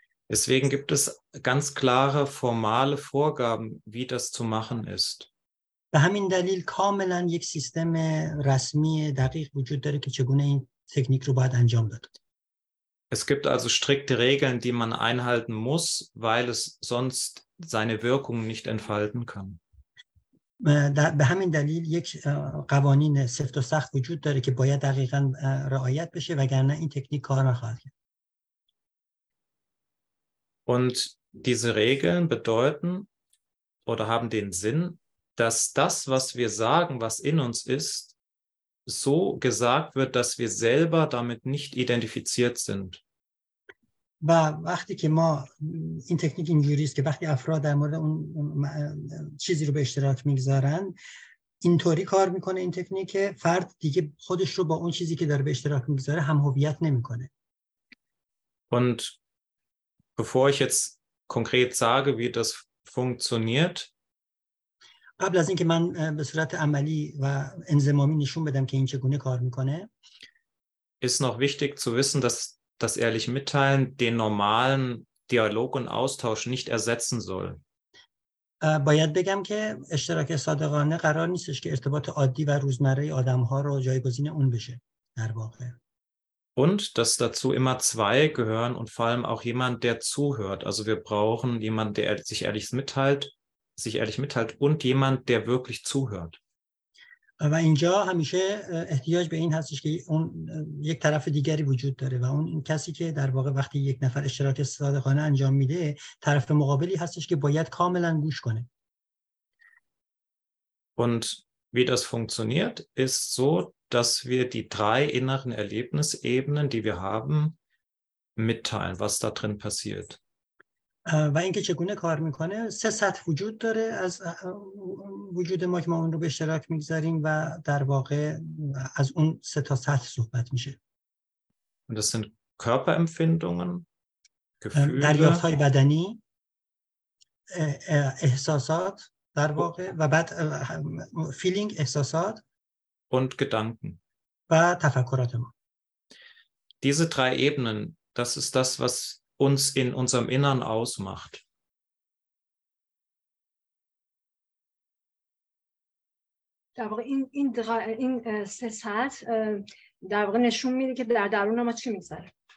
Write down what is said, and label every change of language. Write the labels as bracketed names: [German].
[German] Deswegen gibt es ganz klare formale Vorgaben, wie das zu machen ist. [Persian] به همین دلیل کاملا یک سیستم رسمی دقیق وجود داره که چگونه این تکنیک رو باید انجام داد. [German] Es gibt also strikte Regeln, die man einhalten muss, weil es sonst seine Wirkung nicht entfalten kann. [Persian] به همین دلیل یک قوانین سفت و سخت وجود داره که باید دقیقاً رعایت بشه وگرنه این تکنیک کار نخواهد کرد. [German] Und diese Regeln bedeuten oder haben den Sinn, dass das, was wir sagen, was in uns ist, so gesagt wird, dass wir selber damit nicht identifiziert sind. [Persian] و وقتی که ما این تکنیک اینجوری است که وقتی افراد در مورد اون چیزی رو به اشتراک میگذارن اینطوری کار میکنه این تکنیک که فرد دیگه خودش رو با اون چیزی که داره به اشتراک میگذاره هم هویت نمیکنه [German] Und bevor ich jetzt konkret sage, wie das funktioniert, [Persian] قبل از اینکه من به صورت عملی و انضمامی نشون بدم که این چگونه کار میکنه [German] ist noch wichtig zu wissen, dass das ehrlich mitteilen den normalen Dialog und Austausch nicht ersetzen soll. [Persian] باید بگم که اشتراک صادقانه قرار نیستش که ارتباط عادی و روزمره آدم‌ها رو جایگزین اون بشه در واقع. [German] Und dass dazu immer zwei gehören und vor allem auch jemand, der zuhört. Also wir brauchen jemanden, der sich ehrlich mitteilt und jemand, der wirklich zuhört. [Persian] و اینجا همیشه احتیاج به این هستش که اون یک طرف دیگری وجود داره و اون کسی که در واقع وقتی یک نفر اشتراک صادقانه انجام میده طرف مقابلی هستش که باید کاملا گوش کنه. [German] Und wie das funktioniert ist so, dass wir die drei inneren Erlebnisebenen, die wir haben, mitteilen, was da drin passiert. [Persian] و اینکه چگونه کار میکنه سه سطح وجود داره از وجود ما که ما اون رو به اشتراک میگذاریم و در واقع از اون سه تا سطح صحبت میشه [German] und das sind Körperempfindungen, Gefühle, [Persian] دریافت های بدنی احساسات در واقع و بعد فیلینگ احساسات [German] und Gedanken [Persian] و تفکرات ما [German] diese drei Ebenen das ist das was uns in unserem Innern ausmacht. Da war in drei in Sessat, da war eine Schummide, die da darunter noch mal ziemlich sein.